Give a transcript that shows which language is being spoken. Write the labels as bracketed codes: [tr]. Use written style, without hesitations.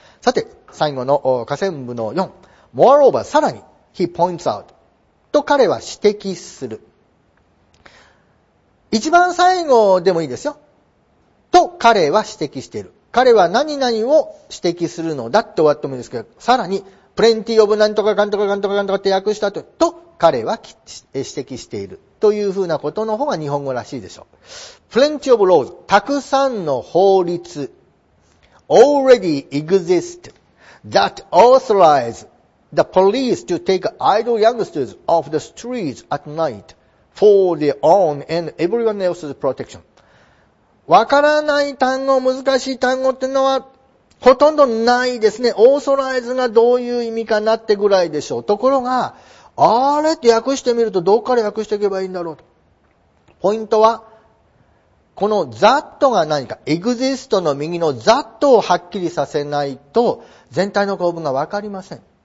[ja] さて最後の下線部の4、 Moreover さらに [en] He points out [ja] と彼は指摘する、一番最後でもいいですよ、と彼は指摘している。彼は何々を指摘するのだって終わってもいいですけど、さらに [en] Plenty of [ja] 何とかかんとかかんとかかんとかって訳したと、と彼は指摘しているというふうなことの方が日本語らしいでしょう。 [en] Plenty of laws、 [ja] たくさんの法律、 [en] already exist that authorize the police to take idle youngsters off the streets at night for their own and everyone else's protection。 [ja] わからない単語、難しい単語ってのはほとんどないですね。 authorize がどういう意味かなってぐらいでしょう。ところがあれって訳してみると、どこから訳していけばいいんだろうと。ポイントはこの that が何か、 exist の右の that をはっきりさせないと全体の構文が分かりません。